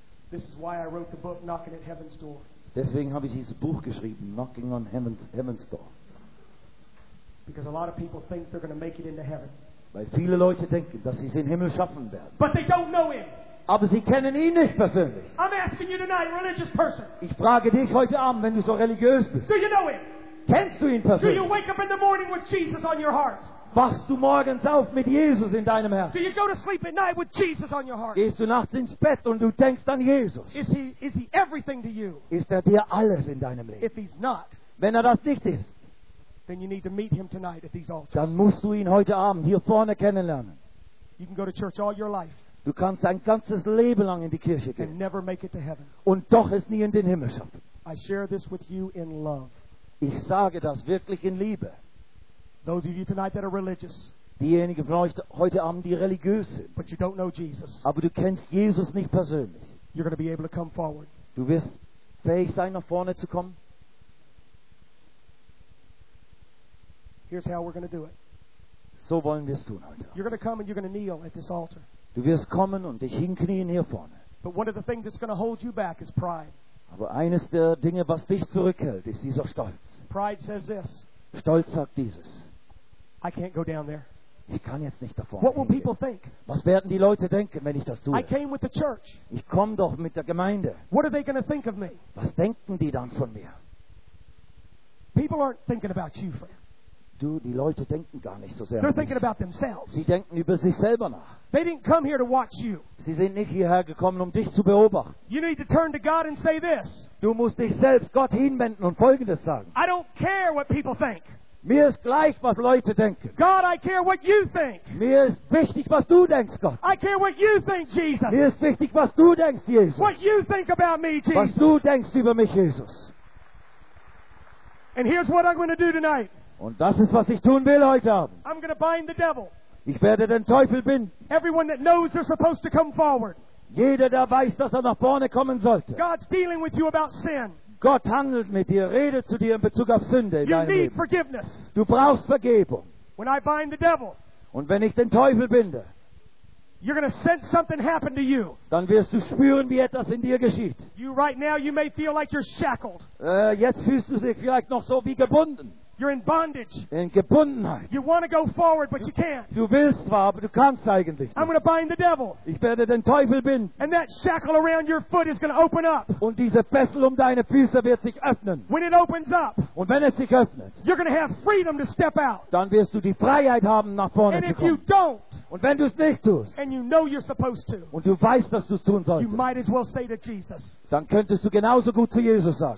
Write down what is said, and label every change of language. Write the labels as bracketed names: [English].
[English] This is why I wrote the book Knocking at Heaven's Door. [German] Deswegen habe ich dieses Buch geschrieben, Knocking on Heaven's Door. [English] Because a lot of people think they're going to make it into heaven. [German] Weil viele Leute denken, dass sie es in den Himmel schaffen werden. [English] But they don't know him. [German] Aber sie kennen ihn nicht persönlich. [English] I'm asking you tonight, a religious person. [German] Ich frage dich heute Abend, wenn du so religiös bist. [English] Do you know him? [German] Kennst du ihn persönlich? [English] Do you wake up in the morning with Jesus on your heart? [German] Wachst du morgens auf mit Jesus in deinem Herzen? [English] Do you go to sleep at night with Jesus on your heart? [German] Gehst du nachts ins Bett und du denkst an Jesus? [English] Is he everything to you? [German] Ist er dir alles in deinem Leben? [English] If he's not, [German] wenn er das nicht ist, [English] then you need to meet him tonight at these altars. [German] Dann musst du ihn heute Abend hier vorne kennenlernen. [English] You can go to church all your life. [German] Du kannst dein ganzes Leben lang in die Kirche gehen. [English] And never make it to heaven. [German] Und doch es nie in den Himmel schaffen. [English] I share this with you in love. [German] Ich sage das wirklich in Liebe. [English] Those of you tonight that are religious. [German] Diejenigen von euch heute Abend, die religiös sind. [English] But you don't know Jesus. [German] Aber du kennst Jesus nicht persönlich. [English] You're going to be able to come forward. [German] Du wirst fähig sein, nach vorne zu kommen. [English] Here's how we're going to do it. [German] So wollen wir es tun heute. [English] You're going to come and you're going to kneel at this altar. [German] Du wirst kommen und dich hinknien hier vorne. [English] But one of the things that's going to hold you back is pride. [German] Aber eines der Dinge, was dich zurückhält, ist dieser Stolz. [English] Pride says this. [German] Stolz sagt dieses. [English] I can't go down there. [German] Ich kann jetzt nicht davon. [English] What will people think? [German] Was werden die Leute denken, wenn ich das tue? [English] I came with the church. [German] Ich komme doch mit der Gemeinde. [English] What are they going to think of me? [German] Was denken die dann von mir? [English] People aren't thinking about you, friend. [German] Du, die Leute denken gar nicht so sehr. [English] They're thinking about themselves. [German] Sie denken über sich selber nach. [English] They didn't come here to watch you. [German] Sie sind nicht hierher gekommen, um dich zu beobachten. [English] You need to turn to God and say this. [German] Du musst dich selbst Gott hinwenden und Folgendes sagen. [English] I don't care what people think. [German] Mir ist gleich, was Leute denken. [English] God, I care what you think. [German] Mir ist wichtig, was du denkst, Gott. [English] I care what you think, Jesus. [German] Mir ist wichtig, was du denkst, Jesus. [English] What you think about me, Jesus. [German] Was du denkst über mich, Jesus. [English] And here's what I'm going to do tonight. [German] Und das ist, was ich tun will heute Abend. [English] I'm going to bind the devil. [German] Ich werde den Teufel binden. [English] Everyone that knows they're supposed to come forward. [German] Jeder, der weiß, dass er nach vorne kommen sollte. [English] God's dealing with you about sin. [German] Gott handelt mit dir, redet zu dir in Bezug auf Sünde in [English] you [German] deinem [English] need [German] Leben. [English] Forgiveness. [German] Du brauchst Vergebung. [English] When I bind the devil, [German] und wenn ich den Teufel binde, [English] you're going to sense something happen to you. [German] Dann wirst du spüren, wie etwas in dir geschieht. [English] You right now, you may feel like you're shackled. [German] Jetzt fühlst du dich vielleicht noch so wie gebunden. [English] You're in bondage. [German] In Gebundenheit. [English] You want to go forward, but you can't. [German] Du willst zwar, aber du kannst eigentlich nicht. [English] I'm going to bind the devil. [German] Ich werde den Teufel binden. [English] And that shackle around your foot is going to open up. [German] Und diese Fessel deine Füße wird sich öffnen. [English] When it opens up. [German] Und wenn es sich öffnet. [English] You're going to have freedom to step out. [German] Dann wirst du die Freiheit haben, nach vorne zu kommen. [English] And if you don't. [German] Und wenn du es nicht tust, [English] and you know you're supposed to, [German] und du weißt, dass du es tun solltest, [English] you might as well say to Jesus, [German] dann könntest du genauso gut zu Jesus sagen,